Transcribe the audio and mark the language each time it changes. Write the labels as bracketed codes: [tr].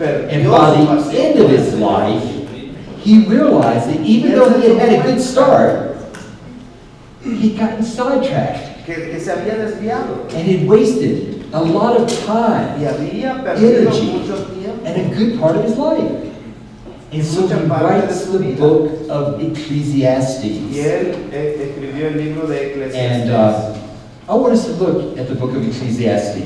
[en] And by the end of his life, he realized that even though he had had a good start, he'd gotten sidetracked. And he'd wasted a lot of time, [es] y había perdido [en] energy, [es] mucho tiempo, [en] and a good part of his life. And so he writes the book of Ecclesiastes. [es] Y él escribió el libro de Ecclesiastes. [en] And I want us to look at the book of Ecclesiastes.